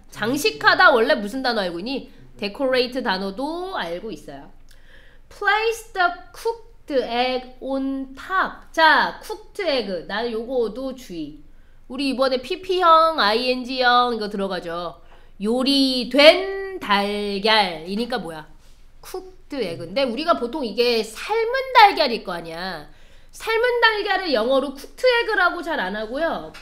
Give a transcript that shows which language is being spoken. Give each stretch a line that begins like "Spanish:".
Korean: 장식하다 원래 무슨 단어 알고 있니? decorate 단어도 알고 있어요.
English: place the cooked egg on top.
Korean: 자, cooked egg. 난 요거도 주의. 우리 이번에 PP형, ING형 이거 들어가죠. 요리된 달걀이니까 뭐야? cooked egg인데 우리가 보통 이게 삶은 달걀일 거 아니야. 삶은 달걀을 영어로 cooked egg라고 잘 안 하고요.